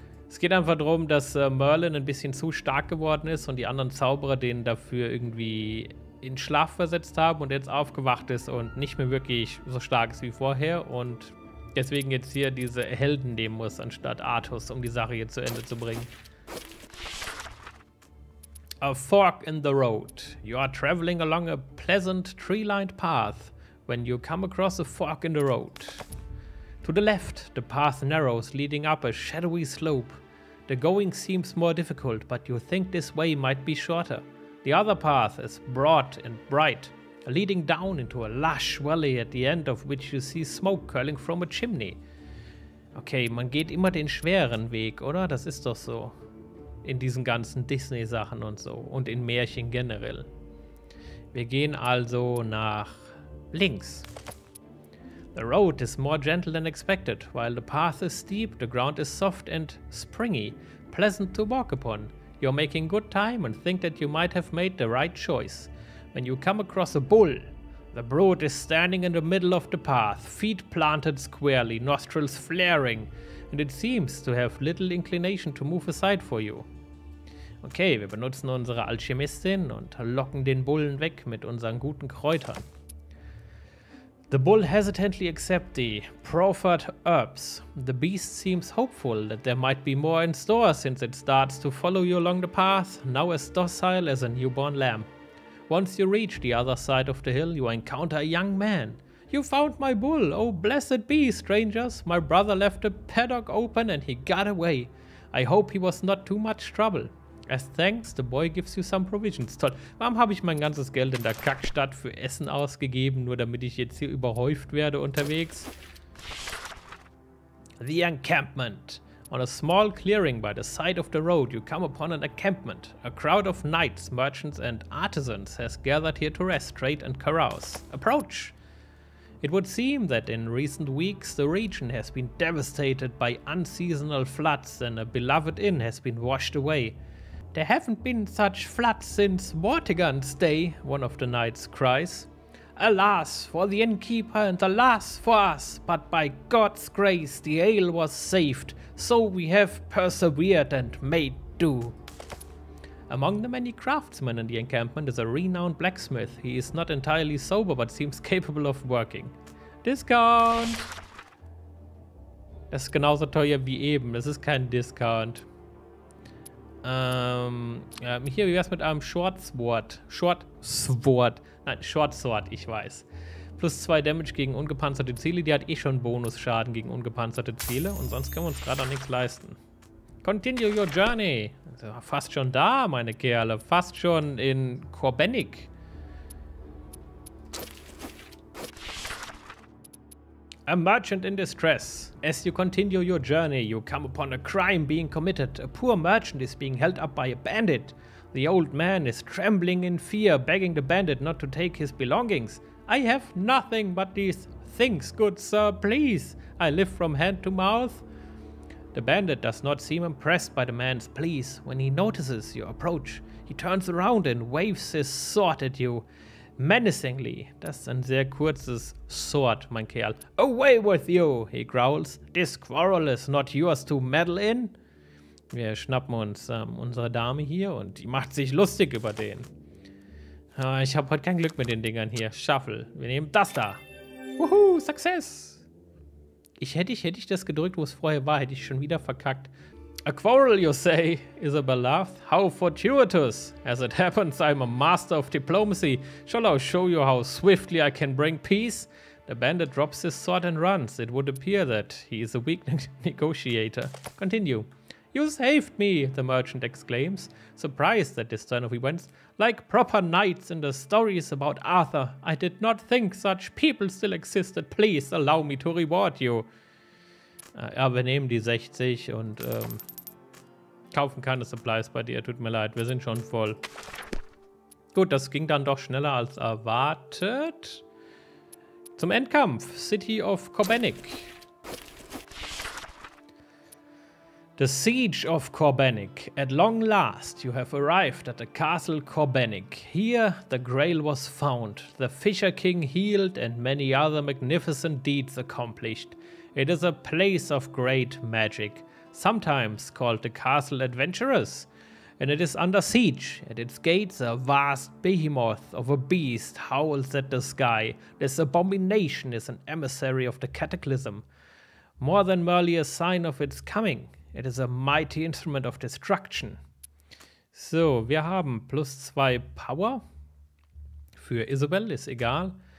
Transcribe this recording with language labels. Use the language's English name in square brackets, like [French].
[German] Es geht einfach darum, dass Merlin ein bisschen zu stark geworden ist und die anderen Zauberer den dafür irgendwie in Schlaf versetzt haben und jetzt aufgewacht ist und nicht mehr wirklich so stark ist wie vorher und Deswegen jetzt hier diese Helden nehmen muss, anstatt Artus, um die Sache jetzt zu Ende zu bringen. [English] A fork in the road. You are traveling along a pleasant tree-lined path when you come across a fork in the road. To the left, the path narrows, leading up a shadowy slope. The going seems more difficult, but you think this way might be shorter. The other path is broad and bright, leading down into a lush valley, at the end of which you see smoke curling from a chimney. [German] Okay, man geht immer den schweren Weg, oder? Das ist doch so. In diesen ganzen Disney-Sachen und so. Und in Märchen generell. Wir gehen also nach links. [English] The road is more gentle than expected. While the path is steep, the ground is soft and springy, pleasant to walk upon. You're making good time and think that you might have made the right choice. When you come across a bull, the brute is standing in the middle of the path, feet planted squarely, nostrils flaring, and it seems to have little inclination to move aside for you. [German] Okay, wir benutzen unsere Alchemistin und locken den Bullen weg mit unseren guten Kräutern. [English] The bull hesitantly accepts the proffered herbs. The beast seems hopeful that there might be more in store since it starts to follow you along the path, now as docile as a newborn lamb. Once you reach the other side of the hill, you encounter a young man. You found my bull, oh blessed be, strangers. My brother left the paddock open and he got away. I hope he was not too much trouble. As thanks, the boy gives you some provisions. [German] Toll, warum habe ich mein ganzes Geld in der Kackstadt für Essen ausgegeben, nur damit ich jetzt hier überhäuft werde unterwegs? [English] The encampment. On a small clearing by the side of the road, you come upon an encampment. A crowd of knights, merchants and artisans has gathered here to rest, trade and carouse. Approach! It would seem that in recent weeks the region has been devastated by unseasonal floods and a beloved inn has been washed away. There haven't been such floods since Vortigern's day, one of the knights cries. Alas for the innkeeper and alas for us, but by God's grace the ale was saved, so we have persevered and made do. Among the many craftsmen in the encampment is a renowned blacksmith. He is not entirely sober, but seems capable of working. Discount! [German] Das ist genauso teuer wie eben, das ist kein Discount. Hier, wie wär's mit einem Shortsword, ich weiß. Plus 2 Damage gegen ungepanzerte Ziele, die hat eh schon Bonusschaden gegen ungepanzerte Ziele und sonst können wir uns gerade auch nichts leisten. [English] Continue your journey. [German] Fast schon da, meine Kerle. Fast schon in Korbenik. [English] A merchant in distress. As you continue your journey, you come upon a crime being committed. A poor merchant is being held up by a bandit. The old man is trembling in fear, begging the bandit not to take his belongings. I have nothing but these things, good sir, please. I live from hand to mouth. The bandit does not seem impressed by the man's pleas. When he notices your approach, he turns around and waves his sword at you, menacingly. [German] Das ist ein sehr kurzes Sword, mein Kerl. [English] Away with you, he growls. This quarrel is not yours to meddle in. [German] Wir schnappen uns unsere Dame hier und die macht sich lustig über den. Ich habe heute kein Glück mit den Dingern hier. Shuffle. Wir nehmen das da. Wuhu, Success. Hätte ich das gedrückt, wo es vorher war, hätte ich schon wieder verkackt. [English] A quarrel, you say? Isabel laughed. How fortuitous. As it happens, I'm a master of diplomacy. Shall I show you how swiftly I can bring peace? The bandit drops his sword and runs. It would appear that he is a weak negotiator. Continue. You saved me, the merchant exclaims, surprised at this turn of events. Like proper knights in the stories about Arthur, I did not think such people still existed. Please allow me to reward you. [German] Ja, wir nehmen die 60 und kaufen keine Supplies bei dir. Tut mir leid, wir sind schon voll. Gut, das ging dann doch schneller als erwartet. Zum Endkampf, City of Korbenik. [English] The Siege of Korbenik. At long last, you have arrived at the Castle Korbenik. Here, the Grail was found, the Fisher King healed, and many other magnificent deeds accomplished. It is a place of great magic, sometimes called the Castle Adventurous, and it is under siege. At its gates, a vast behemoth of a beast howls at the sky. This abomination is an emissary of the Cataclysm. More than merely a sign of its coming. It is a mighty instrument of destruction. [German] So, wir haben plus 2 Power für Isabel, ist egal.